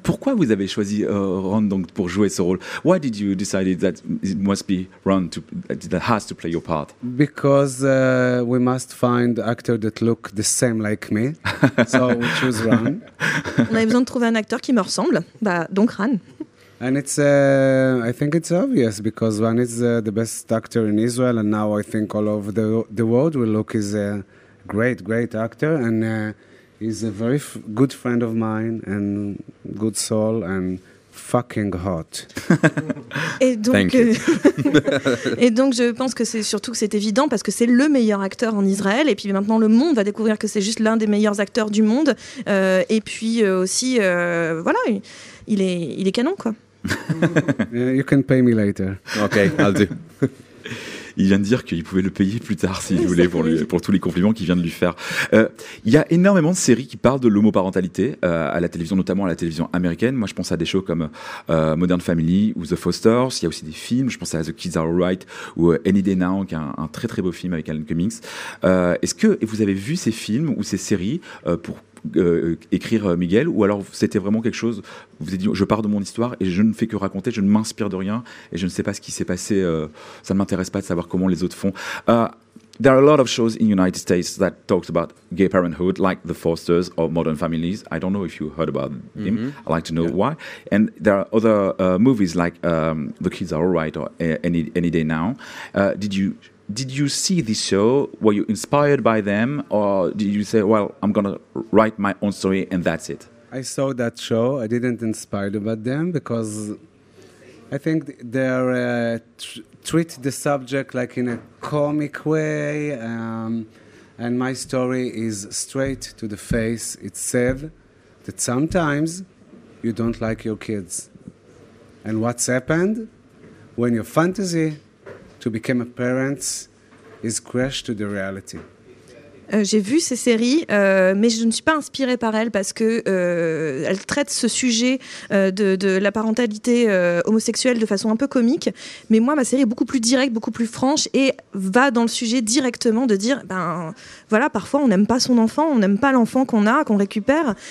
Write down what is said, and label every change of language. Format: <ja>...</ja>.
<fr>Pourquoi vous avez choisi Ran donc pour jouer ce rôle?</fr> <en>Why did you decide that it must be Ran that has to play your part? Because we must find actor that look the same like me. So we choose Ran.</en> <fr>On avait besoin de trouver un acteur qui me ressemble. Bah donc Ran.</fr> <en>And it's, I think it's obvious because Ran is the best actor in Israel, and now I think all over the world will look as a great, great actor, and he's a very good friend of mine and good soul and fucking hot.</en> <fr>Et donc, je pense que c'est surtout que c'est évident parce que c'est le meilleur acteur en Israël, et puis maintenant le monde va découvrir que c'est juste l'un des meilleurs acteurs du monde, et puis aussi, voilà, il est canon, quoi.</fr> <en>You can pay me later. Okay, I'll do.</en> <fr>Il vient de dire qu'il pouvait le payer plus tard s'il voulait pour tous les compliments qu'il vient de lui faire. Il y a énormément de séries qui parlent de l'homoparentalité à la télévision, notamment à la télévision américaine. Moi, je pense à des shows comme Modern Family ou The Fosters. Il y a aussi des films. Je pense à The Kids Are Alright ou Any Day Now, qui est un très très beau film avec Alan Cummings. Est-ce que vous avez vu ces films ou ces séries pour écrire Miguel, ou alors c'était vraiment quelque chose, vous avez dit je pars de mon histoire et je ne fais que raconter, je ne m'inspire de rien et je ne sais pas ce qui s'est passé, ça ne m'intéresse pas de savoir comment les autres font.</fr> <en>There are a lot of shows in the United States that talks about gay parenthood, like The Fosters or Modern Families. I don't know if you heard about mm-hmm. him. I'd like to know why. And there are other movies like The Kids Are Alright or Any Day Now. Did you see this show? Were you inspired by them? Or did you say, well, I'm going to write my own story and that's it? I saw that show. I didn't inspired about them because I think they're treat the subject like in a comic way. And my story is straight to the face. It's sad that sometimes you don't like your kids. And what's happened when your fantasy to become a parent is crashed to the reality.</en> <fr>J'ai vu ces séries, mais je ne suis pas inspirée par elles parce que elles traitent ce sujet de la parentalité homosexuelle de façon un peu comique. Mais moi, ma série est beaucoup plus directe, beaucoup plus franche et va dans le sujet directement de dire, ben voilà, parfois on n'aime pas son enfant, on n'aime pas l'enfant qu'on a, qu'on récupère.</fr>